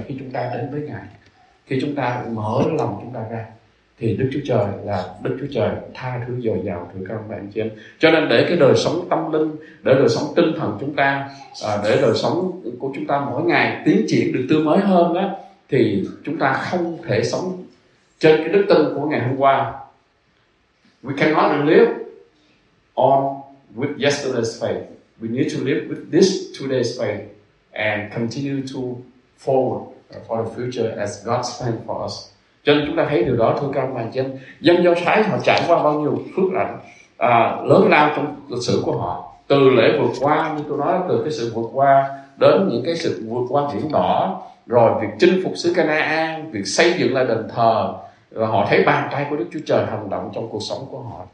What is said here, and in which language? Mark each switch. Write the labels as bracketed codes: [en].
[vi] Khi chúng ta đến với Ngài, khi chúng ta mở lòng chúng ta ra thì Đức Chúa Trời là Đức Chúa Trời tha thứ dồi dào. Thưa các bạn chị em, cho nên để cái đời sống tâm linh, để đời sống tinh thần chúng ta, để đời sống của chúng ta mỗi ngày tiến triển được tươi mới hơn á, thì chúng ta không thể sống trên cái đức tin của ngày hôm qua. [en] We cannot live on with yesterday's faith. We need to live with this today's faith and continue to forward for the future as God's plan for us. [vi] Cho nên chúng ta thấy điều đó. Thưa các bạn chị em, dân Do Thái họ trải qua bao nhiêu phước lành lớn lao trong lịch sử của họ, từ lễ vượt qua, như tôi nói, từ cái sự vượt qua đến những cái sự vượt qua biển đỏ, rồi việc chinh phục xứ Canaan, việc xây dựng lại đền thờ, rồi họ thấy bàn tay của Đức Chúa Trời hành động trong cuộc sống của họ.